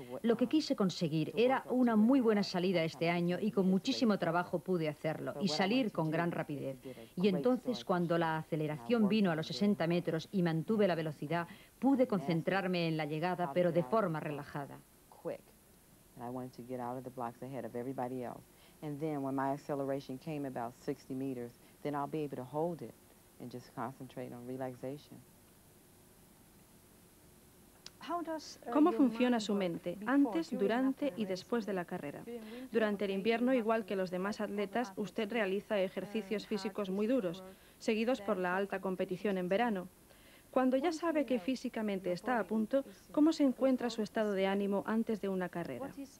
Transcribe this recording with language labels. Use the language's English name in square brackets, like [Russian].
[Spanish] Lo que quise conseguir era una muy buena salida este año y con muchísimo trabajo pude hacerlo y salir con gran rapidez. Y entonces, cuando la aceleración vino a los 60 metros y mantuve la velocidad, pude concentrarme en la llegada, pero de forma relajada. [English] I wanted to get out of the blocks ahead of everybody else. And then when my acceleration came about 60 meters, then I'll be able to hold it and just concentrate on relaxation. [Spanish] ¿Cómo funciona su mente antes, durante y después de la carrera? Durante el invierno, igual que los demás atletas, usted realiza ejercicios físicos muy duros, seguidos por la alta competición en verano. Cuando ya sabe que físicamente está a punto, ¿cómo se encuentra su estado de ánimo antes de una carrera?